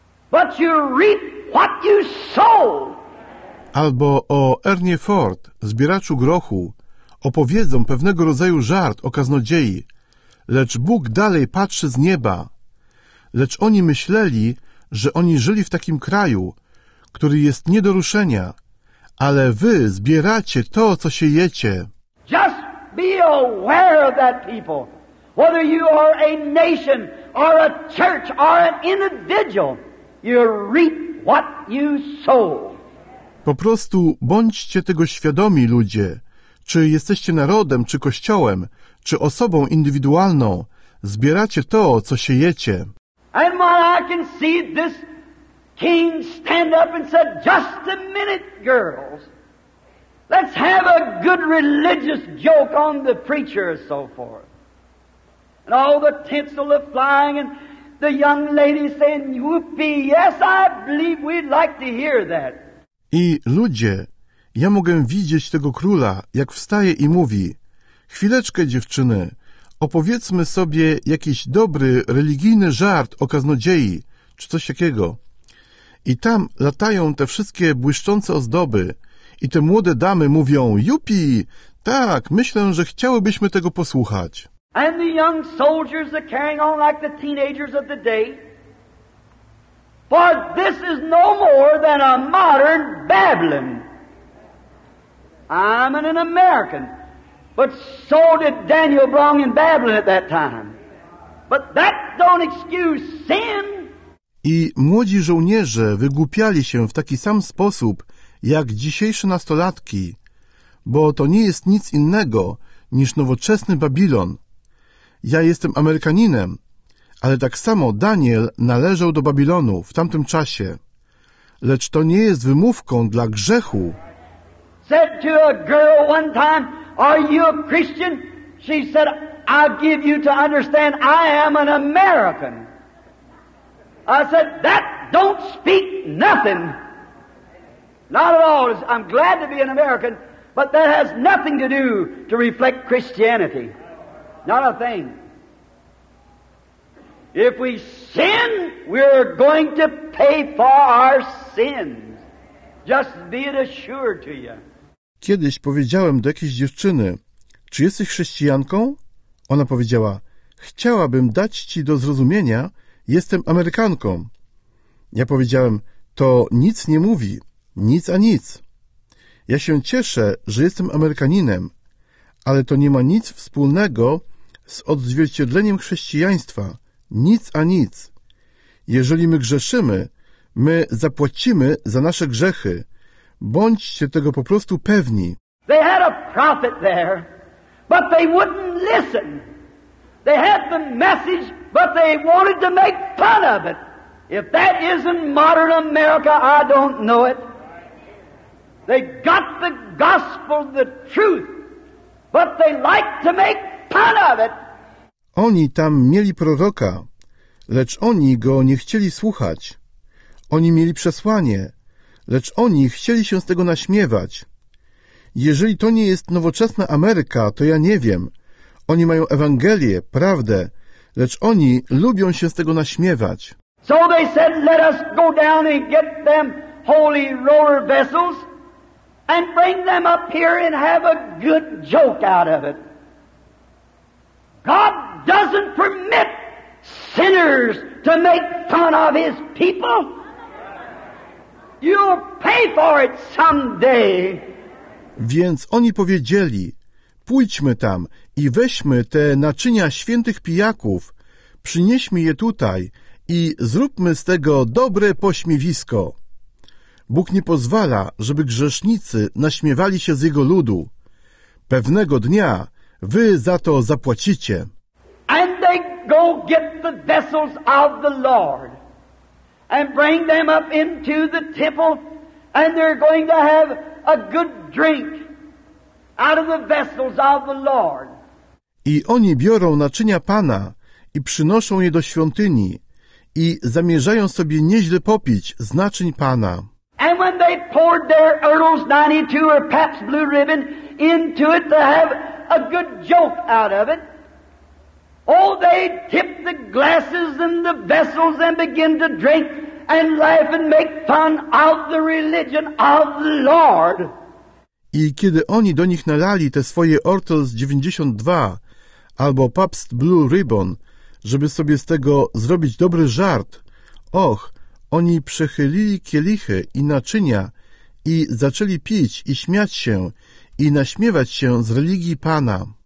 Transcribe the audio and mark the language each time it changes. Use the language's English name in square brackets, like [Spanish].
[English] But you reap what you sow. [Polish] Albo o Ernie Ford, zbieraczu grochu, opowiedzą pewnego rodzaju żart o kaznodziei. Lecz Bóg dalej patrzy z nieba. Lecz oni myśleli, że oni żyli w takim kraju, który jest nie do ruszenia, ale wy zbieracie to, co siejecie. [English] Just be aware of that people, whether you are a nation or a church or an individual, you reap what you sow. [Polish] Po prostu bądźcie tego świadomi, ludzie. Czy jesteście narodem, czy kościołem, czy osobą indywidualną, zbieracie to, co siejecie. [English] And while I can see this king stand up and said, just a minute, girls, let's have a good religious joke on the preacher and so forth. And all the tinsel are flying and the young lady saying, whoopee, yes, I believe we'd like to hear that. [Polish] I ludzie, ja mogę widzieć tego króla, jak wstaje i mówi: chwileczkę, dziewczyny, opowiedzmy sobie jakiś dobry, religijny żart o kaznodziei, czy coś takiego. I tam latają te wszystkie błyszczące ozdoby i te młode damy mówią: jupi, tak, myślę, że chciałybyśmy tego posłuchać. [English] And the young soldiers are carrying on like the teenagers of the day. For this is no more than a modern Babylon. I'm an American, but so did Daniel belong in Babylon at that time. But that don't excuse sin. [Polish] I młodzi żołnierze wygłupiali się w taki sam sposób jak dzisiejsze nastolatki, bo to nie jest nic innego niż nowoczesny Babilon. Ja jestem Amerykaninem, ale tak samo Daniel należał do Babilonu w tamtym czasie. Lecz to nie jest wymówką dla grzechu. [English] Said to a girl one time, are you a Christian? She said, I give you to understand I am an American. I said, that don't speak nothing. Not at all. I'm glad to be an American, but that has nothing to do to reflect Christianity. Not a thing. If we sin, we're going to pay for our sins. Just be it assured to you. [Polish] Kiedyś powiedziałem do jakiejś dziewczyny: czy jesteś chrześcijanką? Ona powiedziała: chciałabym dać ci do zrozumienia, jestem Amerykanką. Ja powiedziałem: to nic nie mówi, nic a nic. Ja się cieszę, że jestem Amerykaninem, ale to nie ma nic wspólnego z odzwierciedleniem chrześcijaństwa, nic a nic. Jeżeli my grzeszymy, my zapłacimy za nasze grzechy. Bądźcie tego po prostu pewni. [English] They had a prophet there, but they wouldn't listen. They had the message, but they wanted to make fun of it. If that isn't modern America, I don't know it. They got the gospel, the truth, but they like to make fun of it. [Polish] Oni tam mieli proroka, lecz oni go nie chcieli słuchać. Oni mieli przesłanie, lecz oni chcieli się z tego naśmiewać. Jeżeli to nie jest nowoczesna Ameryka, to ja nie wiem. Oni mają Ewangelię, prawdę, lecz oni lubią się z tego naśmiewać. [English] So they said, let us go down and get them holy roller vessels and bring them up here and have a good joke out of it. God doesn't permit sinners to make fun of his people. You'll pay for it someday. [Polish] Więc oni powiedzieli: pójdźmy tam i weźmy te naczynia świętych pijaków, przynieśmy je tutaj i zróbmy z tego dobre pośmiewisko. Bóg nie pozwala, żeby grzesznicy naśmiewali się z jego ludu. Pewnego dnia wy za to zapłacicie. [English] And they go get the vessels of the Lord and bring them up into the temple, and they're going to have a good drink out of the vessels of the Lord. [Polish] I oni biorą naczynia Pana i przynoszą je do świątyni i zamierzają sobie nieźle popić z naczyń Pana. [English] And when they poured their Earl's 92 or Pabst Blue Ribbon into it to have a good joke out of it, oh, they tipped the glasses and the vessels and begin to drink and laugh and make fun of the religion of the Lord. [Polish] I kiedy oni do nich nalali te swoje Earl's 92 albo Pabst Blue Ribbon, żeby sobie z tego zrobić dobry żart, och, oni przechylili kielichy i naczynia i zaczęli pić i śmiać się i naśmiewać się z religii Pana.